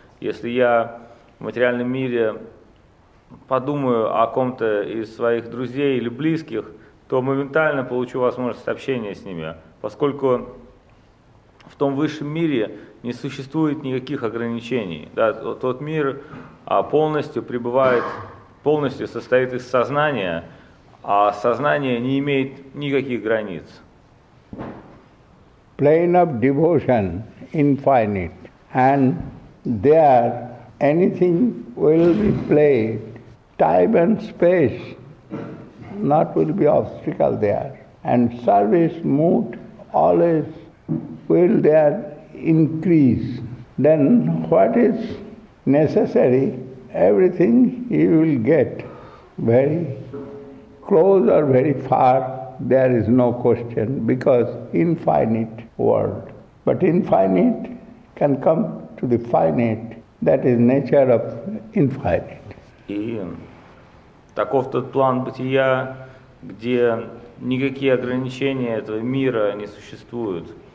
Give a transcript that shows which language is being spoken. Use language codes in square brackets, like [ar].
[ru] Если я в материальном мире подумаю о ком-то из своих друзей или близких, то моментально получу возможность общения с ними, поскольку в том высшем мире не существует никаких ограничений. Да, тот мир полностью пребывает, полностью состоит из сознания, а сознание не имеет никаких границ. [en] Plane of devotion infinite and there, anything will be played. Time and space, not will be obstacle there. And service mood always will there increase. Then what is necessary, everything you will get very close or very far, there is no question, because infinite world. But infinite can come to the finite, that is nature of infinite. [ru] И таков тот план бытия, где никакие ограничения этого мира не существуют.